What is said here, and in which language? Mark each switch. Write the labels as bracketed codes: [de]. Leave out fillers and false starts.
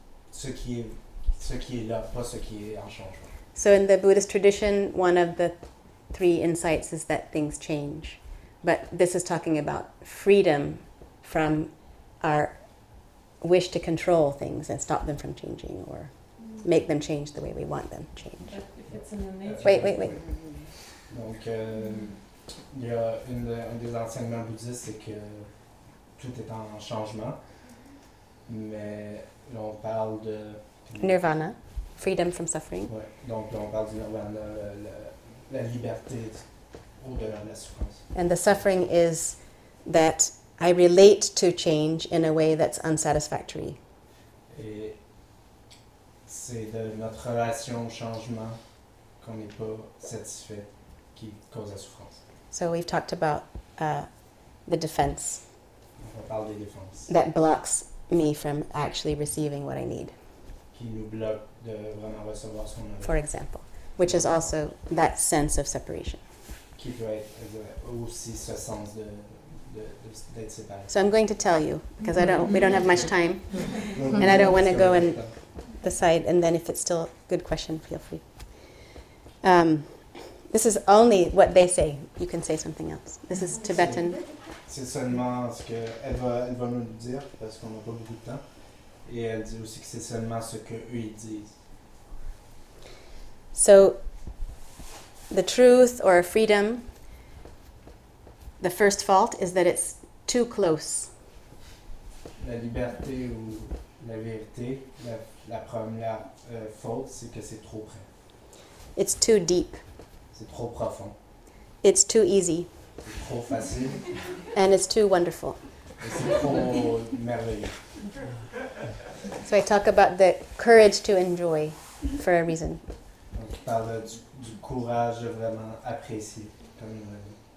[fr] Ce qui est là, pas ce qui est en changement. [en] So in the Buddhist tradition, one of the three insights is that things change. But this is talking about freedom from our wish to control things and stop them from changing or make them change the way we want them change. But if it's in the nature. Wait. [fr] Donc, il y a un des enseignements bouddhistes, c'est que tout est en changement, mais... Là, on parle de... [en] Nirvana, freedom from suffering. [fr] Oui, donc là, on parle du nirvana, la liberté au-delà de la souffrance. [en] And the suffering is that I relate to change in a way that's unsatisfactory. [fr] Et c'est de notre relation au changement qu'on n'est pas satisfait qui cause la souffrance. [en] So we've talked about the defense. [fr] Donc, on parle des défenses. [en] That blocks... me from actually receiving what I need. [fr] Qui nous bloque de vraiment recevoir ce qu'on a. [en] For example, which is also that sense of separation. [fr] Qui peut être aussi ce sens d'être séparé. [en] So I'm going to tell you, because we don't have much time, and I don't want to go and decide, and then if it's still a good question, feel free. This is only what they say. You can say something else. This is Tibetan. [fr] C'est seulement ce que elle va nous dire parce qu'on n'a pas beaucoup de temps. Et elle dit aussi que c'est seulement ce que eux ils disent. [en] So, the truth or freedom, the first fault is that it's too close. [fr] La liberté ou la vérité, la première faute, c'est que c'est trop près. [en] It's too deep. [fr] C'est trop profond. [en] It's too easy. [fr] C'est trop facile. [en] And it's too wonderful. [fr] Et c'est trop merveilleux. [en] So I talk about the courage to enjoy for a reason. [fr] Donc, je parle du courage de vraiment apprécier comme une raison.